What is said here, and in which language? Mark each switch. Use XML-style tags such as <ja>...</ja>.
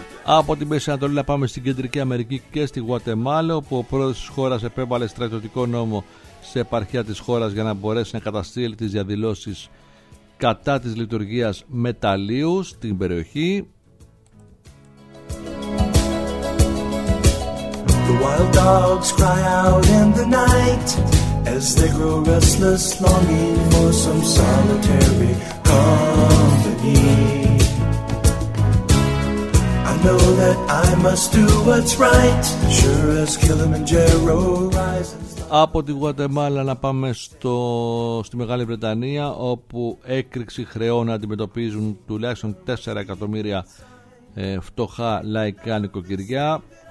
<el>Από την Μέση Ανατολή να πάμε στην Κεντρική Αμερική και στη Γουατεμάλα, όπου ο πρόεδρος της χώρας επέβαλε στρατιωτικό νόμο σε επαρχία της χώρας για να μπορέσει να καταστήλει τις διαδηλώσεις κατά της λειτουργίας μεταλλίου στην περιοχή.</el> <en>Wild dogs cry out in the night as they grow restless, longing for some solitary company. I know that I must do what's right, sure as Kilimanjaro rises.</en> <el>Από τη Γουατεμάλα να πάμε στη Μεγάλη Βρετανία, όπου έκρηξη χρεών αντιμετωπίζουν τουλάχιστον 4 εκατομμύρια φτωχά λαϊκά νοικοκυριά.</el>